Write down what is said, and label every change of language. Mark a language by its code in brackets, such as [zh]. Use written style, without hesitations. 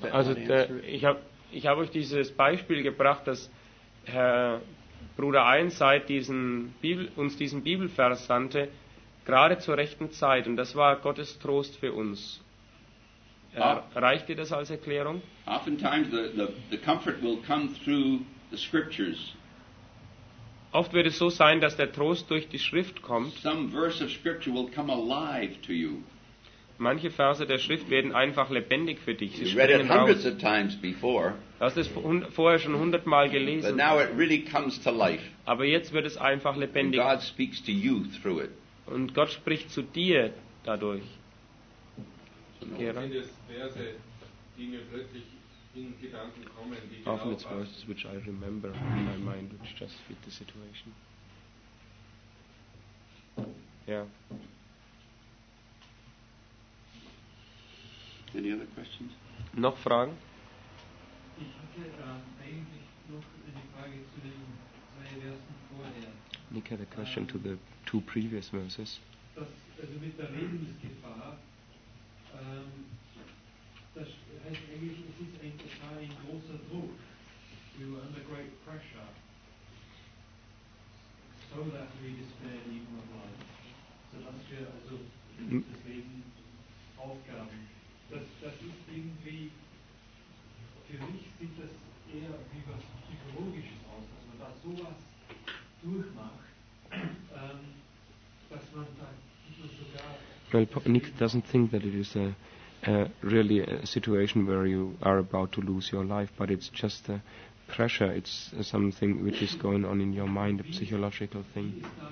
[en] Does that also, [de] ich hab euch dieses Beispiel gebracht, dass Herr Bruder Ironside uns diesen Bibelvers sandte, gerade zur rechten Zeit, und das war Gottes Trost für uns. Reicht dir das als Erklärung? [en] Oftentimes the comfort will come through the scriptures. [de] Oft wird es so sein, dass der Trost durch die Schrift kommt. [en] Some verse of scripture will come alive to you. [de] Manche Verse der Schrift werden einfach lebendig für dich. [en] You read it hundreds of times before. [de] Du hast es vorher schon 100-mal gelesen. [en] But now it really comes to life. [de] Aber jetzt wird es einfach lebendig. [en] And God speaks to you through it. [de] Und Gott spricht zu dir dadurch. [en] Often it's verses which I remember in my mind, which just fit the situation. Yeah. Any other questions? [de] Noch Fragen? Ich hatte eigentlich noch eine Frage zu den zwei Versen vorher. [en] Nick had a question to the two previous verses. [de] Das, also mit der Lebensgefahr. Das heißt eigentlich, es ist ein total ein großer Druck. [en] You are under great pressure. So that we despair the even of life. [de] So dass wir also das Leben aufgaben. Das ist irgendwie, für mich sieht das eher wie was Psychologisches aus, dass man da sowas durchmacht, dass man da nicht nur sogar. [en] Well, Nick doesn't think that it is really a situation where you are about to lose your life, but it's just a pressure. It's something which is going on in your mind, a psychological thing.